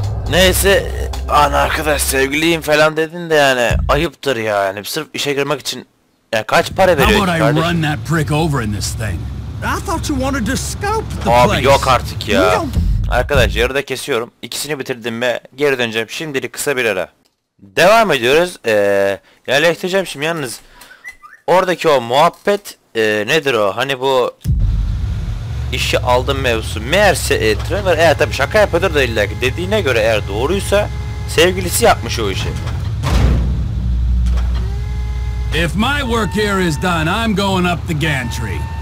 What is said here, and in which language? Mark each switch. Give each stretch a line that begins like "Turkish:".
Turkish: Neyse, an arkadaş sevgiliyim falan dedin de yani ayıptır ya. Yani sırf işe girmek için ya kaç para veriyorsun?
English: How would I run that prick over in this thing? I thought you wanted to scope the place.
Turkish: Abi yok artık ya. Arkadaş yarıda kesiyorum. İkisini bitirdim ve geri döneceğim. Şimdilik kısa bir ara. Devam ediyoruz. Yerleştireceğim şimdi yalnız. Oradaki o muhabbet nedir o? Hani bu işi aldım mevzusu. Meğerse Trevor tabii şaka yapıyordur da illa ki. Dediğine göre eğer doğruysa sevgilisi yapmış o işi.
English: If my work here is done, I'm going up the gantry.